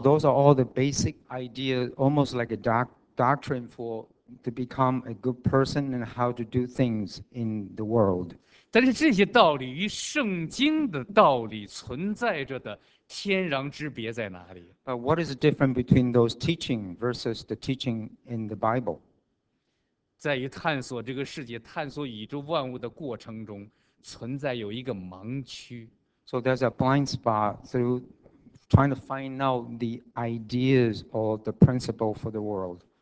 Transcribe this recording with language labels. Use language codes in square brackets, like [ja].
[en] those are all the basic ideas, almost like a doctrine for to become a good person and how to do things in the world. [zh] 但是这些道理与圣经的道理存在着的。 [en] But what is the difference between those teaching versus the teaching in the Bible? [zh] 在于探索这个世界、探索宇宙万物的过程中，存在有一个盲区。 [en] So there's a blind spot through trying to find out the ideas or the principle for the world.